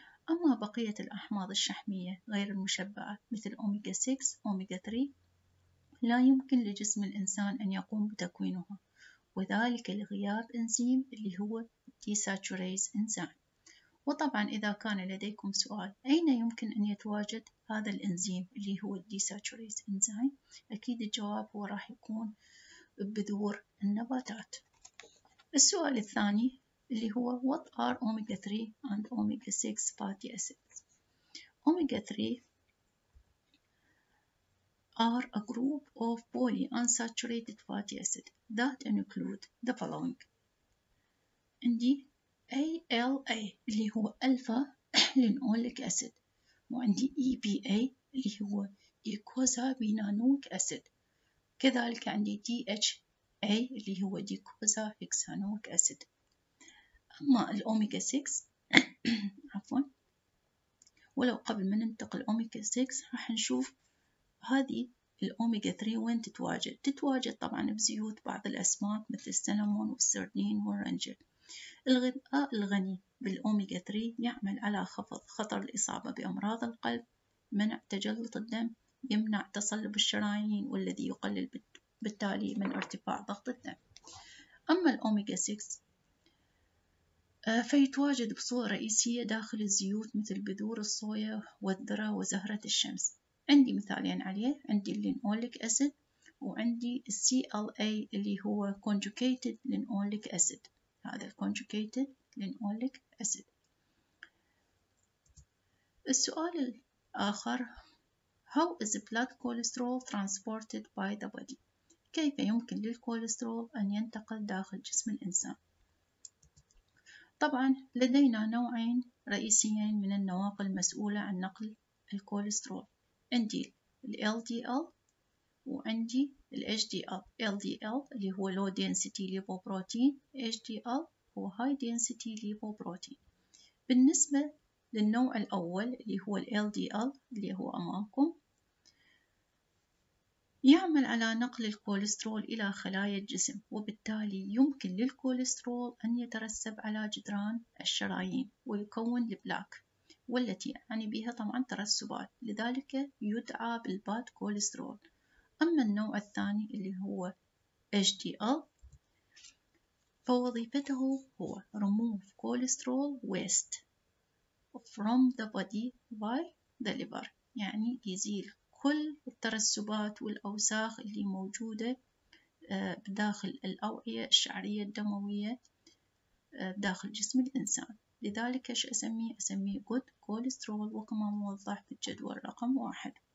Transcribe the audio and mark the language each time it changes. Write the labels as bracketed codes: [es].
[ar] أما بقية الأحماض الشحمية غير المشبعة مثل أوميجا 6 أوميجا 3 لا يمكن لجسم الإنسان أن يقوم بتكوينها، وذلك لغياب إنزيم اللي هو ديساتوريز إنزيم. وطبعا إذا كان لديكم سؤال أين يمكن أن يتواجد هذا الإنزيم اللي هو ديساتوريز إنزيم، أكيد الجواب هو راح يكون بذور النباتات. السؤال الثاني اللي هو [en] What are omega 3 and omega 6 fatty acids? Omega 3 are a group of polyunsaturated fatty acids that include the following. [ar] عندي ALA اللي هو alpha linoleic acid، وعندي EPA اللي هو eicosapinanoic acid، كذلك عندي DHA اللي هو ديكوزا هيكسانويك أسيد. أما الأوميجا 6 عفوا، ولو قبل ما ننتقل الأوميجا 6 راح نشوف هذه الأوميجا 3 وين تتواجد. تتواجد طبعا بزيوت بعض الأسماك مثل السلمون والسردين والرنجل. الغذاء الغني بالأوميجا 3 يعمل على خفض خطر الإصابة بأمراض القلب، منع تجلط الدم، يمنع تصلب الشرايين، والذي يقلل بالتالي من ارتفاع ضغط الدم. أما الأوميجا 6 فيتواجد بصورة رئيسية داخل الزيوت مثل بذور الصويا والذرة وزهرة الشمس. عندي مثالين عليه، عندي اللينوليك أسيد وعندي CLA اللي هو conjugated linoleic acid. [en] هذا conjugated linoleic acid. [ar] السؤال الآخر: [en] How is blood cholesterol transported by the body؟ [ar] كيف يمكن للكوليسترول أن ينتقل داخل جسم الإنسان؟ طبعاً لدينا نوعين رئيسيين من النواقل المسؤولة عن نقل الكوليسترول. عندي الـ LDL وعندي الـ HDL. [en] LDL اللي هو Low Density Lipoprotein، HDL هو High Density Lipoprotein. [ar] بالنسبة للنوع الأول اللي هو الـ LDL اللي هو أمامكم، يعمل على نقل الكوليسترول إلى خلايا الجسم، وبالتالي يمكن للكوليسترول أن يترسب على جدران الشرايين ويكون البلاك، والتي يعني بها طبعا ترسبات، لذلك يدعى بالباد كوليسترول. أما النوع الثاني اللي هو HDL فوظيفته هو [en] remove cholesterol waste from the body by the liver، [ar] يعني يزيل كل الترسبات والأوساخ اللي موجودة بداخل الأوعية الشعرية الدموية بداخل جسم الإنسان. لذلك إيش أسميه؟ أسميه good cholesterol، وكما موضح في الجدول رقم 1.